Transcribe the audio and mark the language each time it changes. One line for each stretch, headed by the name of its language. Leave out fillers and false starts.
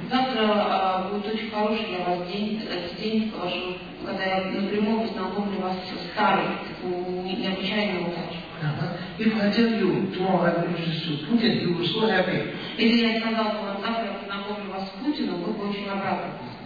Russian: Завтра будет очень хороший для вас день, скажу, когда я напрямую познакомлю вас с Тарой, такую необычайную удачу.
English: If I tell you tomorrow I'm introduced to Putin, you were so happy.
Russian: Если я сказал вам завтра познакомлю вас с Путиным, вы бы очень обрадовались.